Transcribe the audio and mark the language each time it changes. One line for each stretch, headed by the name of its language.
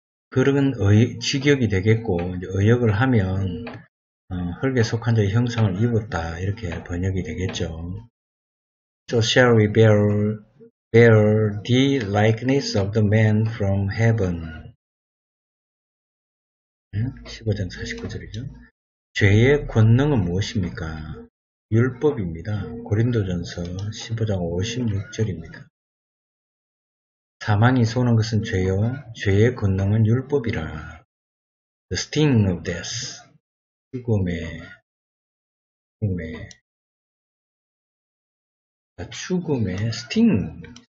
Korean: 그런 직역이 되겠고, 의역을 하면 흙에 속한 자의 형상을 입었다 이렇게 번역이 되겠죠.
English: So shall we bear the likeness of the man from heaven.
Korean: 15장 49절이죠. 죄의 권능은 무엇입니까? 율법입니다. 고린도전서 15장 56절입니다. 사망이 쏘는 것은 죄요, 죄의 권능은 율법이라.
English: The sting of death.
Korean: 죽음의 죽음의
English: sting.